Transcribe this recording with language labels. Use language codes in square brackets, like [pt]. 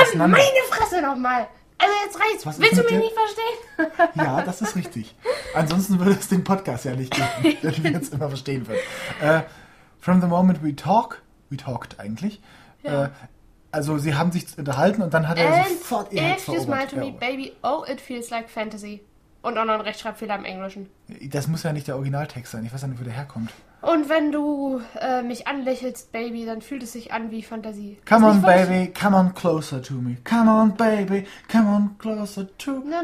[de] auseinander. Meine Fresse nochmal! Also jetzt reicht's. Was willst du mich nicht verstehen? Ja, das ist richtig. Ansonsten würde es den Podcast ja nicht geben, wenn wir jetzt immer verstehen würden. [en] From the moment we talked [de] eigentlich. Ja. Also sie haben sich unterhalten und dann hat er sofort ihr Herz verobert. [en] If you smile to me, baby, oh, it feels like fantasy. [de] Und auch noch ein Rechtschreibfehler im Englischen. Das muss ja nicht der Originaltext sein. Ich weiß nicht, wo der herkommt. Und wenn du mich anlächelst, Baby, dann fühlt es sich an wie Fantasie. [en] Come on, Baby, come on closer to me. Come on, Baby, come on closer to me.